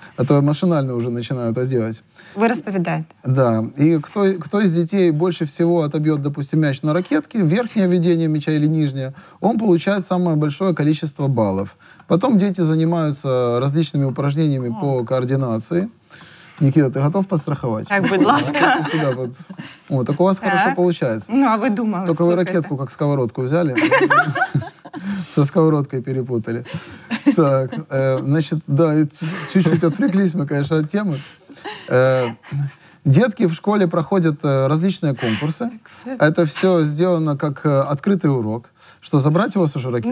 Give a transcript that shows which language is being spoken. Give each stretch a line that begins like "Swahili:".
Russian: А то машинально уже начинают одевать. Вы расповедаете? Да. И кто из детей больше всего отобьет, допустим, мяч на ракетке, верхнее ведение мяча или нижнее, он получает самое большое количество баллов. Потом дети занимаются различными упражнениями по координации.
Ukrainian: Нікіта, ти готов підстрахувати? Так, будь ласка. Сюди, от. О, так у вас
Russian: хорошо
Ukrainian: виходить. Ну, а ви думали. Тільки ви ракетку, як сковородку, взяли.
Russian: Со сковородкой перепутали. Так, значит, да, чуть-чуть отвлеклись мы, конечно, от темы. Детки в школе проходят различные конкурсы. Это все сделано как открытый урок. Что, забрать у вас уже ракетку?